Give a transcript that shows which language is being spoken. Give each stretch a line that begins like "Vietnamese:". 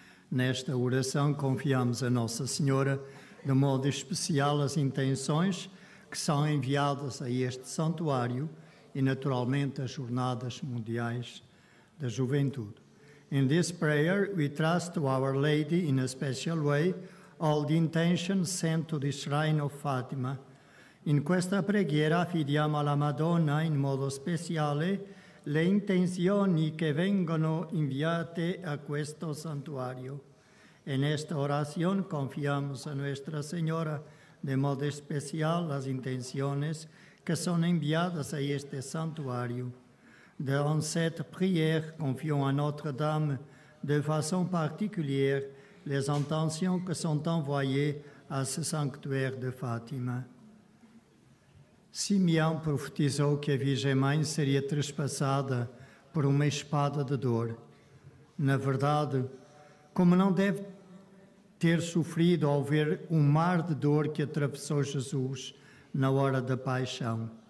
Portuguese: Nesta oração confiamos a Nossa Senhora, de modo especial, as intenções que são enviadas a este santuário e, naturalmente, as Jornadas Mundiais da Juventude.
English: In this prayer, we trust to Our Lady in a special way all the intentions sent to the Shrine of Fatima.
Italian: In questa preghiera affidiamo alla Madonna in modo speciale le intenzioni che vengono inviate a questo santuario.
Spanish: En esta oración confiamos a Nuestra Señora de modo especial las intenciones que son enviadas a este santuario.
French: Dans cette prière, confions a Notre-Dame de façon particulière les intentions que sont envoyées à ce sanctuaire de Fátima.
Portuguese: Simeão profetizou que a Virgem Mãe seria trespassada por uma espada de dor. Na verdade, como não deve ter sofrido ao ver o mar de dor que atravessou Jesus na hora da paixão.